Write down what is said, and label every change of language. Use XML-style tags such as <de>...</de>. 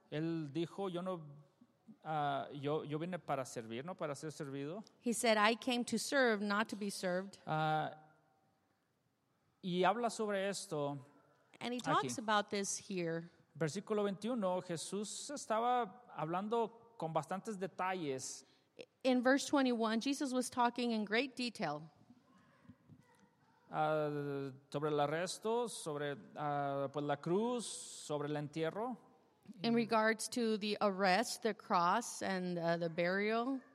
<es>Él dijo, yo no, yo vine para servir, no para ser servido.</es> <en>He said, I came to serve, not to be served.</en> <es>Y habla sobre esto.</es> <en>And he talks</en> <es>aquí</es> <en>about this here.</en> <es>Versículo 21, Jesús estaba hablando con bastantes detalles.</es> <en>In verse 21, Jesus was talking in great detail.</en> <es>Sobre el arresto, sobre pues la cruz, sobre el entierro.</es> <en>In regards to the arrest, the cross, and the burial.</en>